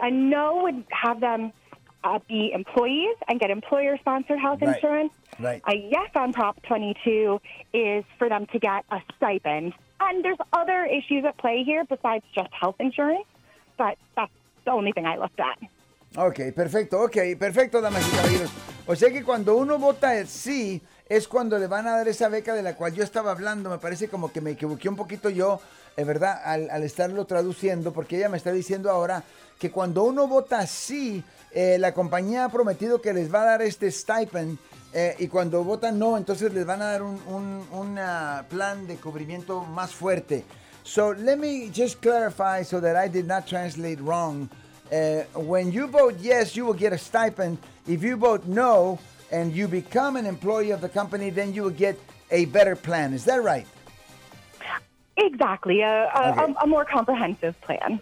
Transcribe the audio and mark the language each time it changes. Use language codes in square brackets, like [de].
[en] A no would have them be employees and get employer-sponsored health insurance. Right. A yes on Prop 22 is for them to get a stipend. And there's other issues at play here besides just health insurance, but that's the only thing I looked at. [es] Okay, perfecto, damas y caballeros. O sea que cuando uno vota el sí, es cuando le van a dar esa beca de la cual yo estaba hablando. Me parece como que me equivoqué un poquito yo, ¿verdad?, al estarlo traduciendo, porque ella me está diciendo ahora que cuando uno vota sí, la compañía ha prometido que les va a dar este stipend, y cuando votan no, entonces les van a dar un plan de cubrimiento más fuerte. [en] So let me just clarify so that I did not translate wrong. When you vote yes, you will get a stipend. If you vote no and you become an employee of the company, then you will get a better plan. Is that right? Exactly. A more comprehensive plan.